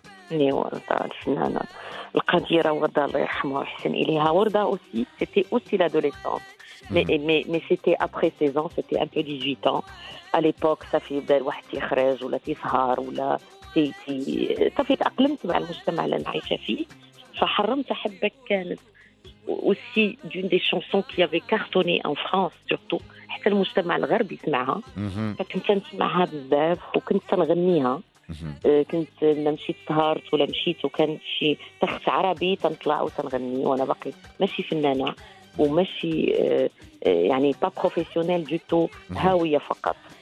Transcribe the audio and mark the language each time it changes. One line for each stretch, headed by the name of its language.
Arabic: لوردة الفنانة القديرة وردة الله يرحمها ويحسن إليها.
French: وردة aussi c'était aussi l'adolescence mais c'était après 16 ans, c'était un peu 18 ans à l'époque.
Arabic: صافي بدا الواحد يخرج ولا تسهر ولا صافي تأقلمت مع المجتمع اللي نعيش فيه. فحرمت أحبك كانت
French: aussi d'une des chansons qui avait cartonné en France surtout.
Arabic: حتى المجتمع الغربي سمعها فكنت نسمعها بزاف وكنت نغنيها. كنت نمشيت سهرت ولا مشيت وكان شي تخت عربي تنطلع وتنغني وانا باقي ماشي فنانة وماشي يعني
French: با بروفيسيونيل دو تو،
Arabic: هاوية فقط.